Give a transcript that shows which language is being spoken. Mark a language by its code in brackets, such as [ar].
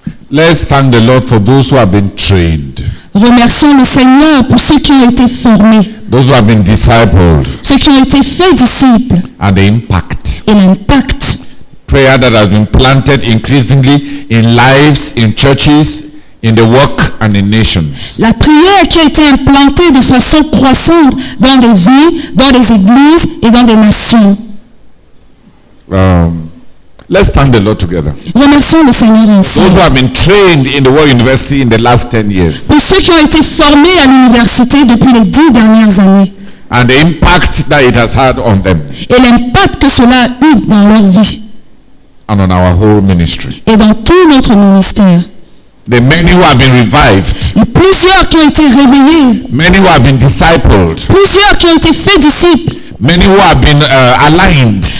[en] Let's thank the Lord for those who have been trained. [fr] Remercions le Seigneur pour ceux qui ont été formés. [en] Those who have been discipled. [fr] Ceux qui ont été faits disciples. [en] And the impact. [fr] Et l'impact. [en] Prayer that has been planted increasingly in lives, in churches. In the work and in nations. [fr] La prière qui a été implantée de façon croissante dans les vies, dans les églises et dans les nations. [en] Let's thank the Lord together. [fr] Remercions le Seigneur ensemble. [en] Those who have been trained in the World University in the last 10 years. [fr] Pour ceux qui ont été formés à l'université depuis les 10 dernières années. [en] And the impact that it has had on them. [fr] Et l'impact que cela a eu dans leur vie. [en] And on our whole ministry. [fr] Et dans tout notre ministère. [en] The many who have been revived. [fr] Plusieurs qui ont été réveillés. [en] Many who have been discipled. [fr] Plusieurs qui ont été faits disciples. [en] Many who have been aligned.